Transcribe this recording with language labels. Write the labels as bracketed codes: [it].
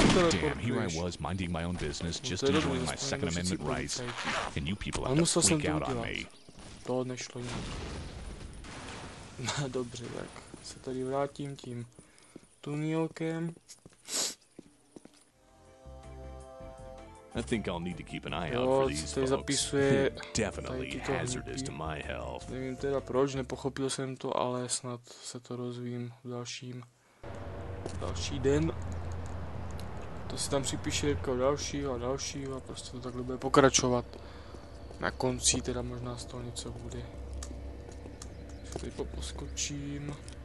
[en] Damn, here I was minding my own business, just enjoying my Second Amendment rights, and you people have to freak out on me. [cs] To nešlo nic. Dobře, tak se tady vrátím tím tunílkem. [en] I think I'll need to keep an eye out for these folks. Definitely hazardous to my health. [cs] Nevím teda proč, nepochopil jsem to, ale snad se to rozvím v další den. To si tam připíše jako dalšího a prostě to takhle bude pokračovat. Na konci teda možná z toho něco bude. Teď poskočím.